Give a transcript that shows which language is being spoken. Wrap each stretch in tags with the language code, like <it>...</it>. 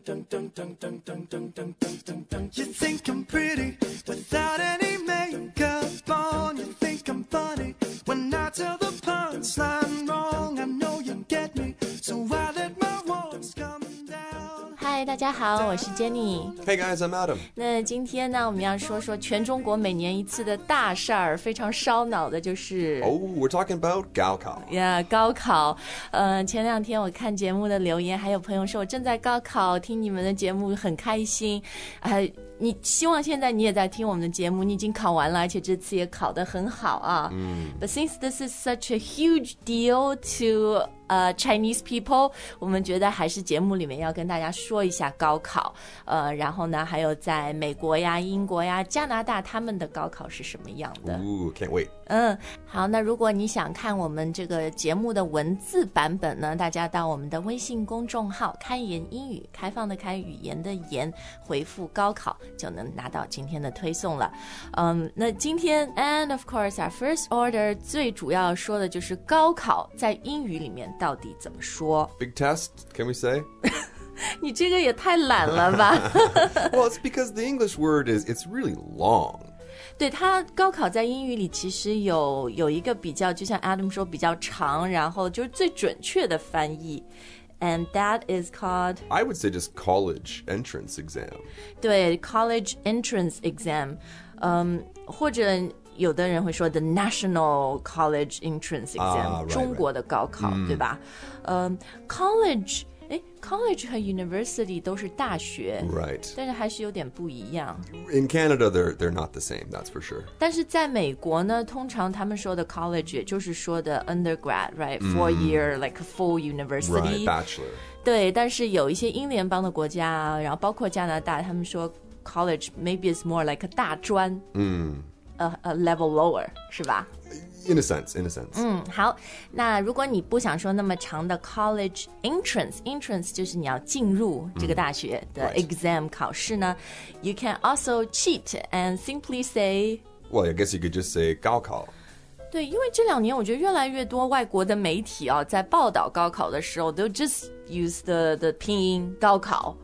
<en>You think I'm pretty without any makeup on. You think I'm funny when I tell the punchline wrong. I know you get me, so I let my walls come down.</en> <zh>Hi, 大家好，我是 Jenny。</zh> <en>Hey guys, I'm Adam。</en> <zh>那今天呢，我们要说说全中国每年一次的大事儿，非常烧脑的，就是。</zh> <en>Oh, we're talking about 高考。 Yeah, 高考。</en> <zh>前两天我看节目的留言，还有朋友说我正在高考，听你们的节目很开心。你希望现在你也在听我们的节目，你已经考完了，而且这次也考得很好啊。 Mm.</zh> <en>But since this is such a huge deal to Chinese people,</en> <zh>我们觉得还是节目里面要跟大家说一下高考。然后呢，还有在美国呀、英国呀、加拿大他们的高考是什么样的。</zh> <en>Ooh, can't wait.</en> <zh>好，那如果你想看我们这个节目的文字版本呢，大家到我们的微信公众号“开言英语”，开放的开，语言的言，回复“高考”就能拿到今天的推送了。那今天 ，</zh> <en>and of course our first order</en> <zh>最主要说的就是高考在英语里面到底怎么说</zh> <en>？Big test, can we say?</en> <zh>你这个也太懒了吧</zh> <en>！Well, it's because the English word is it's really long.</en> <zh>对，它高考在英语里其实有一个比较，就像 Adam 说比较长，然后就是最准确的翻译。</zh> <en>And that is called... I would say just college entrance exam. 对 ,college entrance exam.</en> <zh>或者有的人会说</zh> <en>the national college entrance exam,、 right,</en> <zh>中国的高考、</zh> <en>right.</en> <zh>对吧、college... College 和 University 都是大学</zh> <en>Right</en> <zh>但是还是有点不一样</zh> <en>In Canada, they're not the same, that's for sure</en> <zh>但是在美国呢通常他们说的 college 也就是说的 undergrad, right?</zh> <en>Four year, like full university Right, bachelor</en> <zh>对但是有一些英联邦的国家然后包括加拿大他们说</zh> <en>college maybe is more like a</en> <zh>大专</zh> <en>a level lower,</en> <zh>是吧</zh> <en>In a sense.</en> <zh>好，那如果你不想说那么长的 college entrance 就是你要进入这个大学的 exam 考试呢、</zh> <en>right. You can also cheat and simply say Well, I guess you could just say 高考</en> <zh>对，因为这两年我觉得越来越多外国的媒体啊，在报道高考的时候都</zh> <en>just use the</en> <zh>拼音高考</zh>